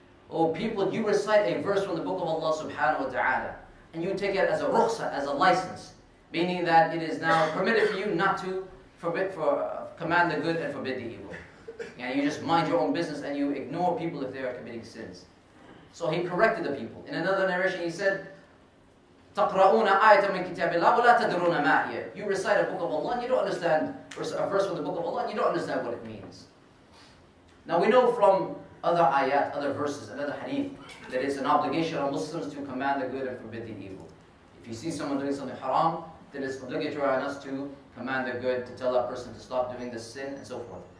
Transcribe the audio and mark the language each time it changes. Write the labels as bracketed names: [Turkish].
[English] O people, you recite a verse from the book of Allah subhanahu wa ta'ala and you take it as a rukhsa, as a license, meaning that it is now permitted for you not to command the good and forbid the evil. And you just mind your own business and you ignore people if they are committing sins. So he corrected the people. In another narration he said, [Arabic] تَقْرَأُونَ آيَةً مِنْ كِتَابِ اللَّهِ وَلَا تَدْرُونَ مَا هِيَ. [English] You recite a book of Allah and you don't understand, a verse from the book of Allah and you don't understand what it means. Now we know from other ayat, other verses, another hadith, that it's an obligation on Muslims to command the good and forbid the evil. If you see someone doing something haram, then it's obligatory on us to command the good, to tell that person to stop doing this sin, and so forth.